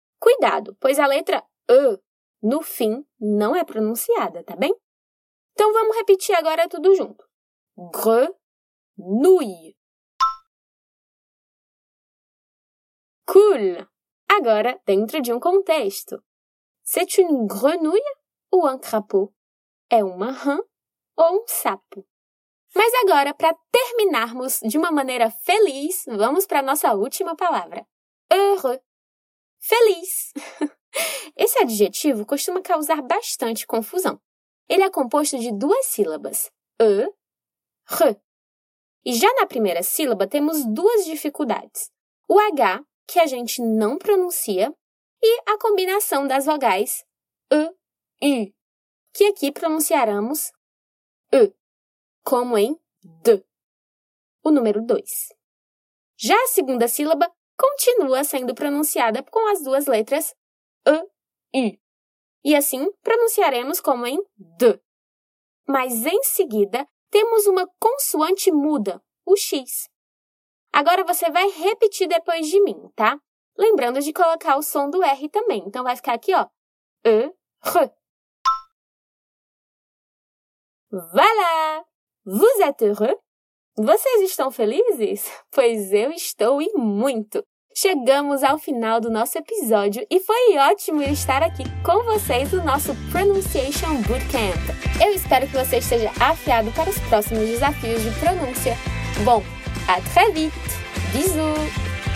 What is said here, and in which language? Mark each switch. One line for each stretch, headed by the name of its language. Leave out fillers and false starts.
Portuguese: Cuidado, pois a letra E no fim não é pronunciada, tá bem? Então, vamos repetir agora tudo junto. Grenouille. Cool! Agora, dentro de um contexto.
French: C'est une grenouille ou un crapaud?
Portuguese: É uma rã ou um sapo? Mas agora, para terminarmos de uma maneira feliz, vamos para a nossa última palavra. Heureux. Feliz. Esse adjetivo costuma causar bastante confusão. Ele é composto de duas sílabas, e, r. E já na primeira sílaba temos duas dificuldades. O H, que a gente não pronuncia, e a combinação das vogais e, i, que aqui pronunciaremos e, como em d, o número 2. Já a segunda sílaba continua sendo pronunciada com as duas letras E, I. E assim, pronunciaremos como em D. Mas, em seguida, temos uma consoante muda, o X. Agora, você vai repetir depois de mim, tá? Lembrando de colocar o som do R também. Então, vai ficar aqui, ó. E, R.
French: Voilà! Vous êtes heureux?
Portuguese: Vocês estão felizes? Pois eu estou e muito! Chegamos ao final do nosso episódio e foi ótimo estar aqui com vocês no nosso Pronunciation Bootcamp. Eu espero que você esteja afiado para os próximos desafios de pronúncia. Bom,
French: à très vite! Bisous!